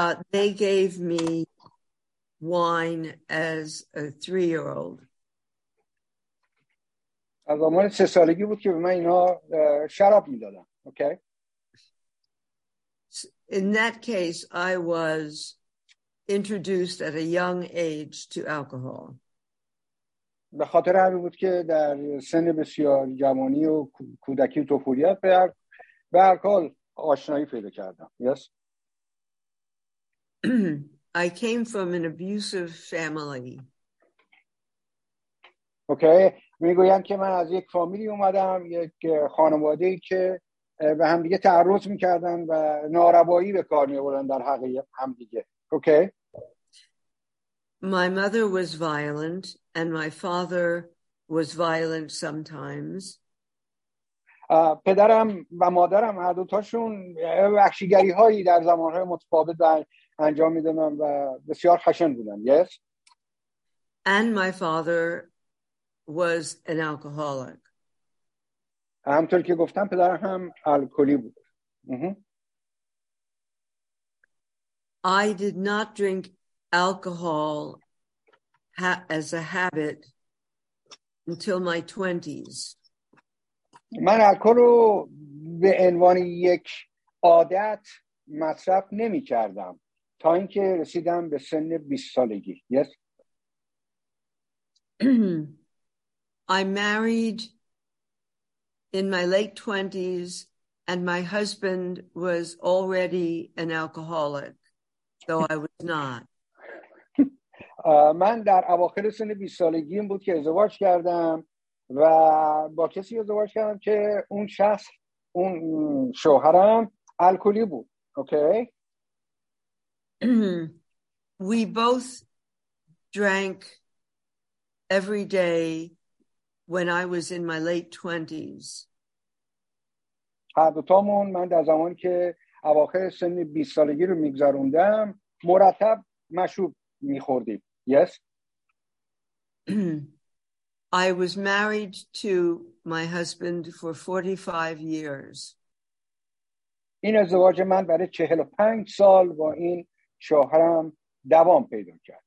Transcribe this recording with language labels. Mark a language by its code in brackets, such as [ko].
[en] They gave me wine as a 3-year-old. [fa] از عمر 3 سالگی بود که به من اینا شراب میدادن. [en] Okay. In that case I was introduced at a young age to alcohol. [fa] به خاطر همین بود که در سن بسیار جوانی و کودکی و طفولیت به الکل آشنایی پیدا کردم. [en] Yes. I came from an abusive family. Okay. [fa] میگویند که من از یک فامیلی اومدم، یک خانواده‌ای که به هم دیگه تعرض می‌کردن و ناروایی به کار می‌بردن در حق هم دیگه. [en] Okay. My mother was violent and my father was violent sometimes. [fa] پدرم و مادرم هر دو تاشون وحشیگری‌هایی در زمان‌های متفاوت انجام می‌دادن و بسیار خشن بودن. [en] Yes. And my father was an alcoholic. [fa] همطور که گفتم پدرم هم الکلی بود. [en] I did not drink alcohol as a habit until my 20s. [fa] من الکل رو به عنوان یک عادت مصرف نمی کردم تا اینکه رسیدم به سن 20 سالگی. [en] Yes. I married in my late 20s and my husband was already an alcoholic, though I was not. [fa] من در اواخر سن 20 سالگیم بود که ازدواج کردم و با کسی ازدواج کردم که اون شخص اون شوهرم الکلی بود. [en] Okay. We both drank every day when I was in my late 20s. [fa] هر دوتامون من در زمانی که اواخر سن 20 سالگی رو میگذروندم مرتب مشروب میخوردیم. [en] Yes. I was married to my husband for 45 years. [fa] این ازدواج من برای 45 سال با این شوهرم دوام پیدا کرد.